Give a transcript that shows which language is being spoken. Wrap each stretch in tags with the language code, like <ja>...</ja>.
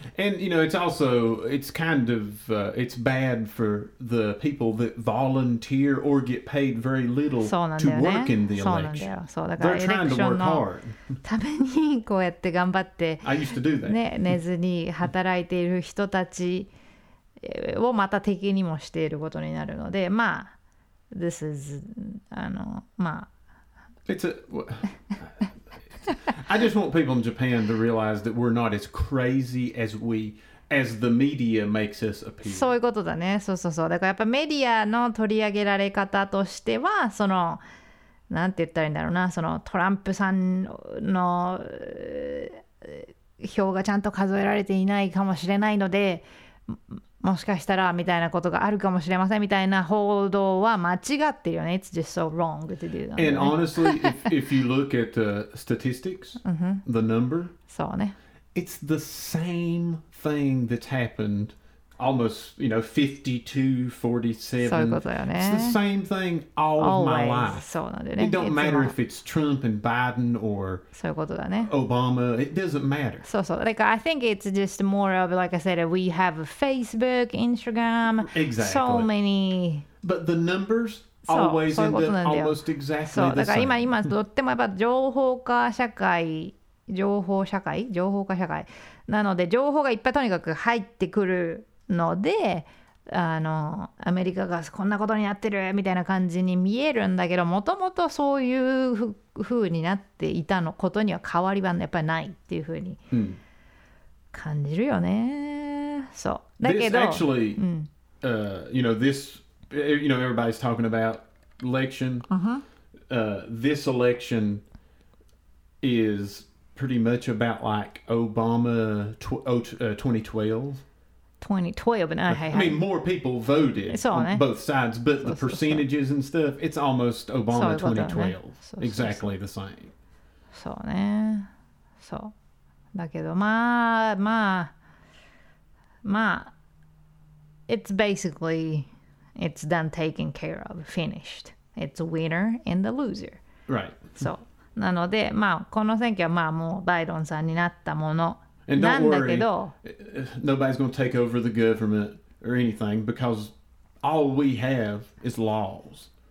<en>And, you know, it's also, it's kind of,、it's bad for the people that volunteer or get paid very little、</en> <ja>ね、</ja> <en>to work in the election.</en> <ja>そうなんだよ。</ja> <en>They're trying to work hard.</en> <ja>ためにこうやって頑張って、</ja> <en>I used to do that.</en> <ja>ね、寝ずに働いている人たちをまた敵にもしていることになるので、まあ、</ja> <en>this is,</en> <ja>まあ。</ja> <en>It's a... I just want people in Japan to realize that we're not as crazy as we, as the media makes us appear.</en> <ja>そういうことだね。そうそうそう。だからやっぱメディアの取り上げられ方としては、その、なんて言ったらいいんだろうな、そのトランプさんの票がちゃんと数えられていないかもしれないので、もしかしたらみたいなことがあるかもしれませんみたいな報道は間違ってるよね。</ja> <en>It's just so wrong to do that. And honestly, if you look at the statistics, the number,</en> <ja>そうね。</ja> <en>It's the same thing that's happened almost, you know, 52, 47.</en> <ja>そういうことよね。</ja> <en>It's the same thing all of my life.</en> <ja>そうなんだよね。</ja> <en>It don't matter if it's Trump and Biden or</en> <ja>そういうことだね。</ja> <en>Obama. It doesn't matter.</en> <ja>そうそう。</ja> <en>Like, I think it's just more of, like I said, we have Facebook, Instagram. Exactly. So many. But the numbers always end up almost exactly the same.</en> <ja>そう、だから今とってもやっぱ情報化社会。情報社会？情報化社会。なので情報がいっぱいとにかく入ってくるので、アメリカがこんなことになってるみたいな感じに見えるんだけど、もともとそういうふうになっていたのことには変わりはやっぱりないっていうふうに感じるよね。そうだけど、</ja> <en>This actually, you know, this, you know, everybody's talking about election. This election is pretty much about like Obama 2012. 2012, but I mean, more people voted on both sides, but the percentages and stuff, it's almost Obama 2012. Exactly the same.</en> <ja>そうね。そう。だけど、まあ、まあ、まあ、</ja> <en>it's basically, it's done taken care of, finished. It's a winner and the loser. Right.</en> <ja>So, なので、まあ、この選挙はまあもうバイデンさんになったもの。</ja> <en>And don't worry, nobody's going to take over the government or anything, because all we have is laws.</en>